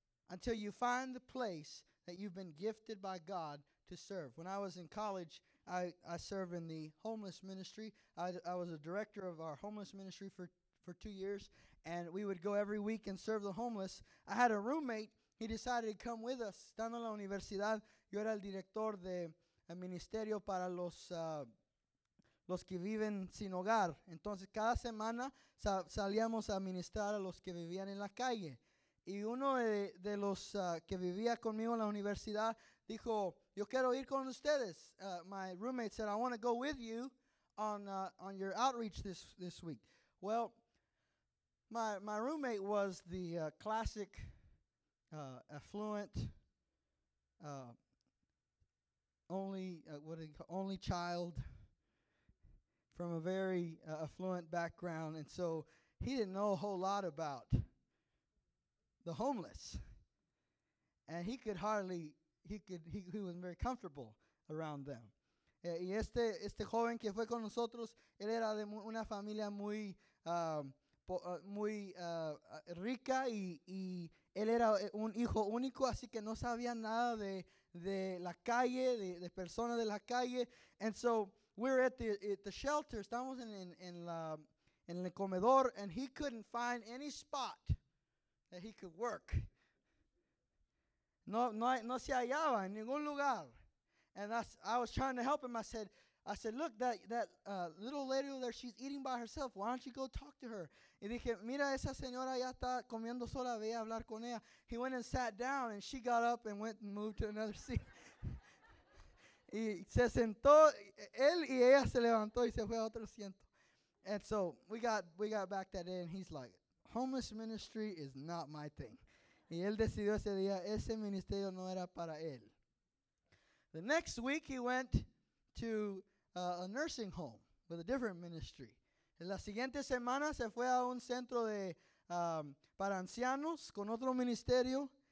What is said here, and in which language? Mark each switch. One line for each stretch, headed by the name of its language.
English: Until you find the place that you've been gifted by God to serve. When I was in college, I served in the homeless ministry. I was a director of our homeless ministry for 2 years, and we would go every week and serve the homeless. I had a roommate. He decided to come with us.
Spanish: Estando en la universidad, yo era el director de el ministerio para los que viven sin hogar. Entonces, cada semana salíamos a ministrar a los que vivían en la calle. Y uno de los que vivía conmigo en la universidad dijo, yo quiero ir con ustedes.
English: My roommate said, I want to go with you on your outreach this week. Well, my roommate was the classic affluent only child from a very affluent background. And so he didn't know a whole lot about the homeless, and he wasn't very comfortable around them.
Spanish: Y este joven que fue con nosotros, él era de una familia muy rica, y él era un hijo único, así que no sabía nada de la calle, de personas de la calle.
English: And so we're at the shelter.
Spanish: Estamos en el comedor,
English: and he couldn't find any spot that he could work.
Spanish: No se hallaba en ningún lugar.
English: And I was trying to help him. I said, look, that little lady over there, she's eating by herself. Why don't you go talk to her?
Spanish: Y dije, mira, esa señora ya está comiendo sola. Ve a hablar con ella.
English: He went and sat down, and she got up and went and moved to another seat.
Spanish: Y se sentó, él y ella se levantó y se fue a otro asiento.
English: And so we got back that day, and he's like, homeless ministry is not my thing.
Spanish: Y él decidió ese día, ese ministerio no era para él.
English: The next week he went to a nursing home with a different ministry.
Spanish: En la siguiente semana se fue a un centro de para ancianos con otro ministerio.